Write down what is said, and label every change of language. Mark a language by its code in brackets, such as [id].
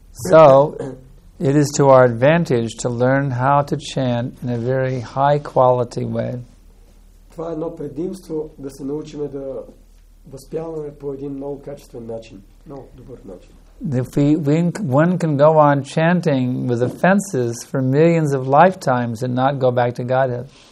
[en] So, it is to our advantage to learn how to chant in a very high quality way. [bg] Това е едно предимство да се научиме да възпяваме по един много качествен начин, много добър начин. [en] If one can go on chanting with offenses for millions of lifetimes and not go back to Godhead.